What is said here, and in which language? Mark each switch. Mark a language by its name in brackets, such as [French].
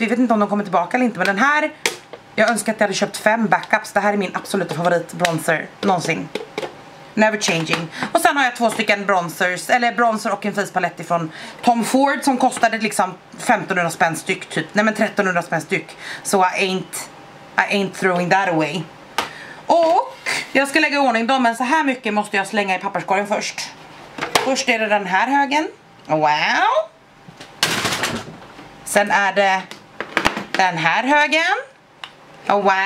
[Swedish] Vi vet inte om de kommer tillbaka eller inte. Men den här, jag önskar att jag hade köpt 5 backups. Det här är min absoluta favorit bronzer någonsin. [English] Never changing. [Swedish] Och sen har jag 2 stycken bronzers, eller bronzer och en facepalett från Tom Ford, som kostade liksom 1500 spänn styck typ. Nej, men 1300 spänn styck. [English] Så I ain't throwing that away. [Swedish] Och jag ska lägga i ordning dem, men så här mycket måste jag slänga i papperskorgen först. Först är det den här högen. Wow. Sen är det den här högen. Wow.